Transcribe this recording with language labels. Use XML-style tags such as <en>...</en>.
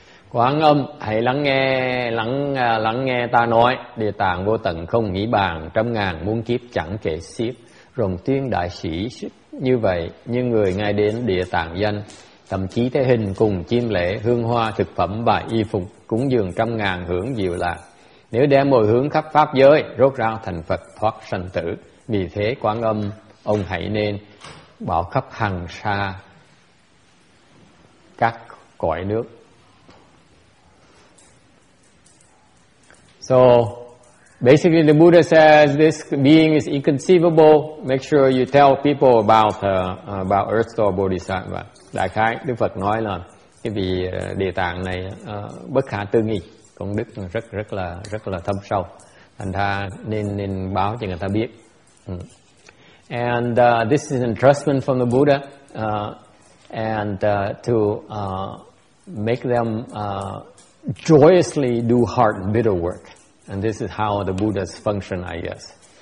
<vi>Quán âm, hãy lắng nghe ta nói, địa tạng vô tận không nghĩ bàn, trăm ngàn muôn kiếp chẳng kể xiết, rồng tuyên đại sĩ như vậy, như người ngay đến địa tạng danh, thậm chí thế hình cùng chim lễ, hương hoa, thực phẩm và y phục, cúng dường trăm ngàn hưởng diệu lạc. Nếu đem mọi hướng khắp pháp giới, rốt ráo thành Phật thoát sanh tử. Vì thế Quán Âm, ông hãy nên bảo khắp hằng sa các cõi nước.</vi> <en>So basically, the Buddha says this being is inconceivable. Make sure you tell people about Erstho Bodhisattva.</en> <vi>Đại khái, Đức Phật nói là cái vị địa tạng này bất khả tư nghị, công đức rất là thâm sâu. Thành ra nên báo cho người ta biết.</vi> <en>And this is an entrustment from the Buddha, and to make them joyously do hard and bitter work. And this is how the Buddha's function, I guess.</en>